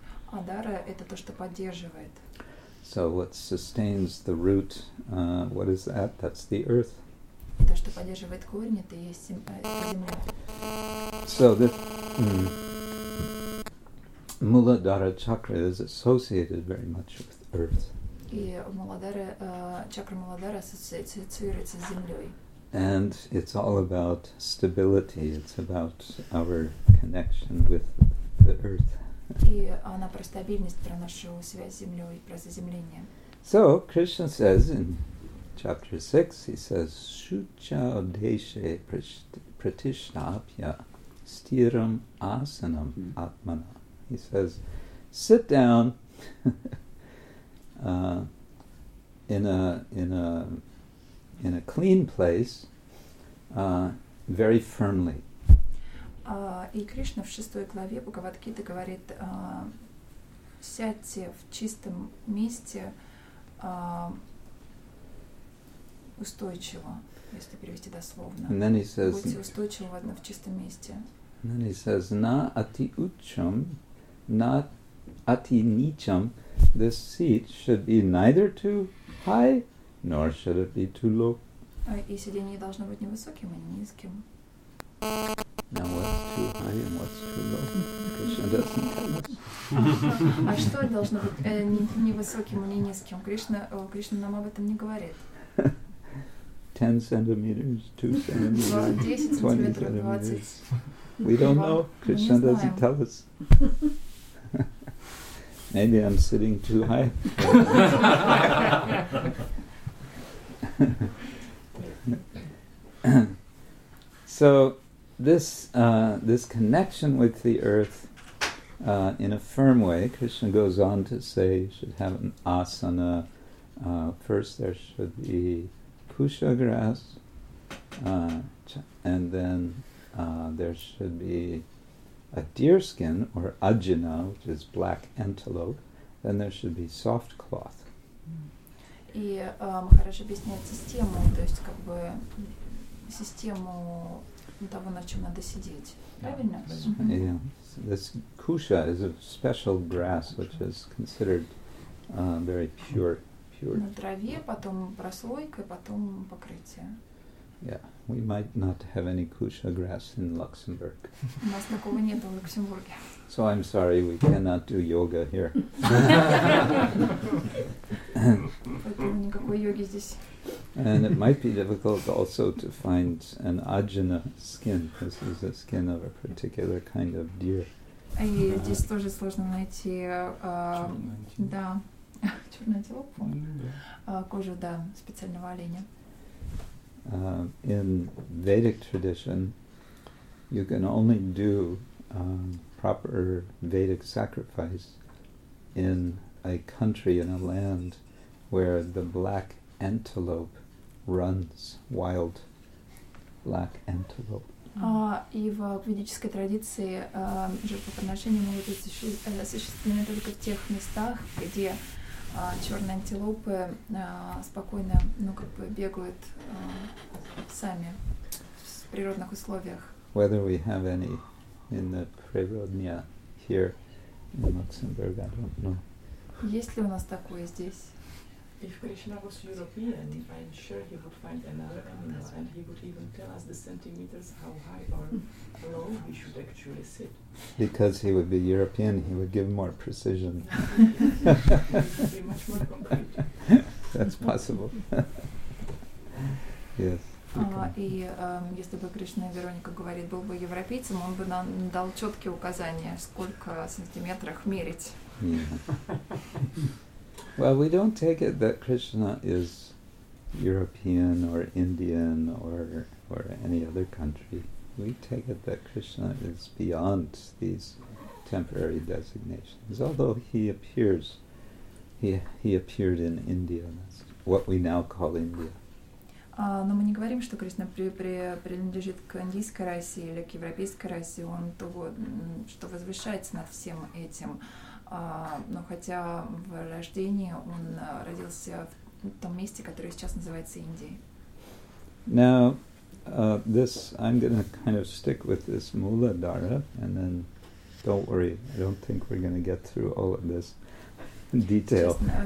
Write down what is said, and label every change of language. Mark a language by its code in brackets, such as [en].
[ru] А дара это то, что поддерживает. [en] So what sustains the root, what is that? That's the earth. [ru] То, что поддерживает корень, это есть земля. [en] So this Muladhara chakra is associated very much with earth. [ru] И Muladhara, чакра Muladhara ассоциируется с землей. [en] And it's all about stability, it's about our connection with the earth. [ru] И она про стабильность, про нашу связь с землей, про заземление. [en] So Krishna says in chapter 6, he says, [sa] Shucha deshe pratishnapya stiram asanam atmana. [en] He says, sit down in a clean place, very firmly. [ru] И Кришна в 6 главе Бхагавад-гиты говорит, сядьте в чистом месте устойчиво, если перевести дословно. [en] And then he says, [ru] будьте устойчивы в чистом месте. [en] And then he says, [sa] на ати учам, на ати ничам, [en] this seat should be neither too high, nor should it be too low. [ru] И сиденье должно быть не высоким, а не низким. [en] Now what's too high and what's too low? Krishna doesn't tell us. [ru] А что должно быть не высоким, не низким? Кришна нам об этом не говорит. [en] 10 centimeters, 2 centimeters, 20 centimeters. We don't know. Krishna doesn't tell us. Maybe I'm sitting too high. So this this connection with the earth in a firm way, Krishna goes on to say, you should have an asana. First there should be pusha grass, and then there should be a deer skin, or ajna, which is black antelope, then there should be soft cloth. [ru] И Махарадж объясняет систему, то есть как бы систему того, на чем надо сидеть. Правильно? [en] Mm-hmm. Yeah. So this kusha is a special grass which is considered very pure. [ru] На траве, потом прослойка, потом покрытие. [en] Yeah, we might not have any kusha grass in Luxembourg. [ru] У нас такого нет в Люксембурге. [en] So I'm sorry, we cannot do yoga here. [ru] Поэтому никакой йоги здесь. [en] And it might be difficult also to find an ajna skin. This is a skin of a particular kind of deer. [ru] И здесь тоже сложно найти, да, черную антилопу, кожу, да, специального оленя. [en] In Vedic tradition, you can only do proper Vedic sacrifice in a country, in a land, where the black antelope runs, wild black antelope. [ru] И в ведической традиции жертвоприношения могут осуществлены только в тех местах, где черные антилопы спокойно, ну как бы бегают сами в природных условиях. [en] Whether we have any in the Prirodnya here in Luxembourg, I don't know. [ru] Есть ли у нас такое здесь? [en] If Krishna was European, I'm sure he would find another animal and he would even tell us the centimeters how high or low we should actually sit. Because he would be European, he would give more precision. He would be much more concrete. That's possible. Yes. [ru] И если бы Кришна, Вероника говорит, был бы европейцем, он бы нам дал четкие указания, сколько сантиметрах мерить. [en] Yeah. Well, we don't take it that Krishna is European or Indian or any other country. We take it that Krishna is beyond these temporary designations. Although he appeared in India, that's what we now call India. [ru] Но мы не говорим, что Кришна принадлежит к индийской расе или к европейской расе, он то, что возвышается над всем этим. Но хотя в рождении он родился в том месте, которое сейчас называется Индией. [en] Now, this, I'm going to kind of stick with this Mooladhara, and then, don't worry, I don't think we're going to get through all of this. Detail.